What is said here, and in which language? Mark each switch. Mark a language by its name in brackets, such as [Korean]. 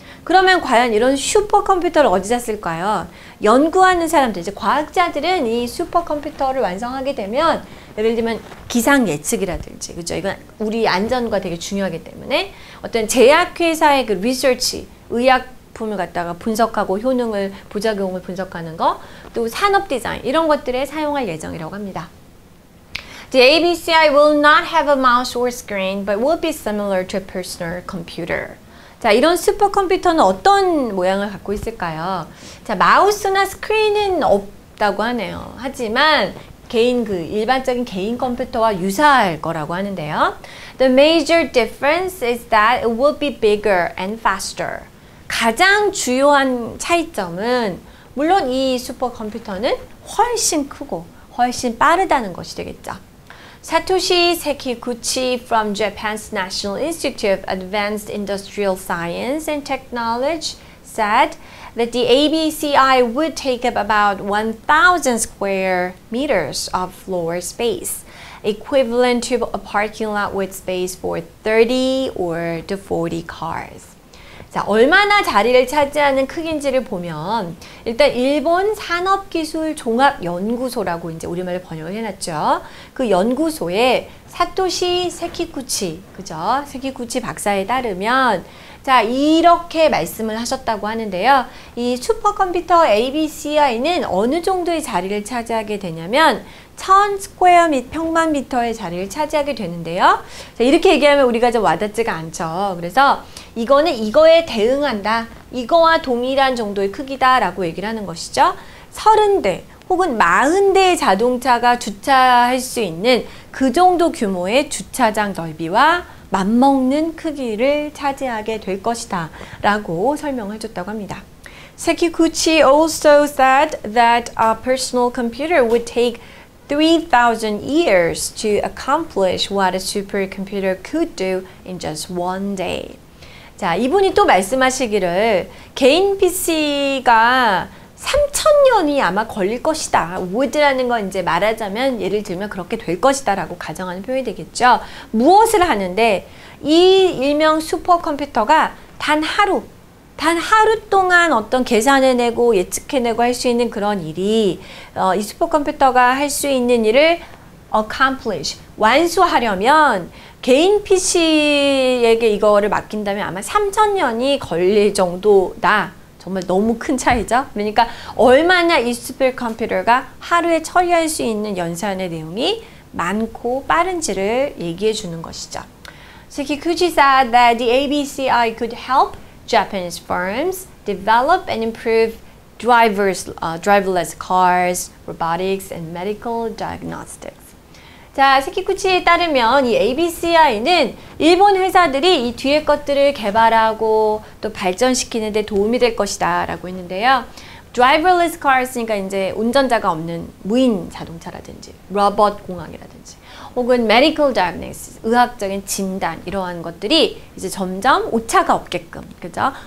[Korean] 그러면 과연 이런 슈퍼컴퓨터를 어디다 쓸까요? 연구하는 사람들, 이제 과학자들은 이 슈퍼컴퓨터를 완성하게 되면 예를 들면 기상 예측이라든지, 그죠? 이건 우리 안전과 되게 중요하기 때문에 어떤 제약회사의 그 리서치, 의약품을 갖다가 분석하고 효능을, 부작용을 분석하는 거, 또 산업 디자인, 이런 것들에 사용할 예정이라고 합니다. [English] The ABCI will not have a mouse or screen, but will be similar to a personal computer. [Korean] 자, 이런 슈퍼컴퓨터는 어떤 모양을 갖고 있을까요? 자, 마우스나 스크린은 없다고 하네요. 하지만 개인 그 일반적인 개인 컴퓨터와 유사할 거라고 하는데요. [English] The major difference is that it will be bigger and faster. [Korean] 가장 중요한 차이점은 물론 이 슈퍼컴퓨터는 훨씬 크고 훨씬 빠르다는 것이 되겠죠. [English] Satoshi Sekiguchi from Japan's National Institute of Advanced Industrial Science and Technology said that the ABCI would take up about 1,000 square meters of floor space, equivalent to a parking lot with space for 30 or to 40 cars. [Korean] 자, 얼마나 자리를 차지하는 크기인지를 보면 일단 일본 산업기술종합연구소라고 이제 우리말로 번역을 해놨죠. 그 연구소에 사토시 세키쿠치, 그죠? 세키쿠치 박사에 따르면 자, 이렇게 말씀을 하셨다고 하는데요. 이 슈퍼컴퓨터 ABCI는 어느 정도의 자리를 차지하게 되냐면 1000 스퀘어 및 평방미터의 자리를 차지하게 되는데요. 자, 이렇게 얘기하면 우리가 좀 와닿지가 않죠. 그래서 이거는 이거에 대응한다. 이거와 동일한 정도의 크기다라고 얘기를 하는 것이죠. 30대 혹은 40대의 자동차가 주차할 수 있는 그 정도 규모의 주차장 넓이와 맞먹는 크기를 차지하게 될 것이다 라고 설명을 해줬다고 합니다. [English] Sekiguchi also said that a personal computer would take 3,000 years to accomplish what a supercomputer could do in just one day. [Korean] 자, 이분이 또 말씀하시기를 개인 PC가 3,000년이 아마 걸릴 것이다. would라는 건 이제 말하자면 예를 들면 그렇게 될 것이다 라고 가정하는 표현이 되겠죠. 무엇을 하는데 이 일명 슈퍼컴퓨터가 단 하루 동안 어떤 계산해내고 예측해내고 할 수 있는 그런 일이 이 슈퍼컴퓨터가 할 수 있는 일을 accomplish, 완수하려면 개인 PC에게 이거를 맡긴다면 아마 3,000년이 걸릴 정도다. 정말 너무 큰 차이죠? 그러니까 얼마나 이 슈퍼컴퓨터가 하루에 처리할 수 있는 연산의 내용이 많고 빠른지를 얘기해 주는 것이죠. [English] Sekiguchi said that the ABCI could help Japanese firms develop and improve driverless cars, robotics, and medical diagnostics. [Korean] 자, 세키쿠치에 따르면 이 ABCI는 일본 회사들이 이 뒤에 것들을 개발하고 또 발전시키는 데 도움이 될 것이다 라고 했는데요. Driverless cars니까 이제 운전자가 없는 무인 자동차라든지 로봇 공학이라든지 혹은 medical diagnosis, 의학적인 진단 이러한 것들이 이제 점점 오차가 없게끔, 그죠?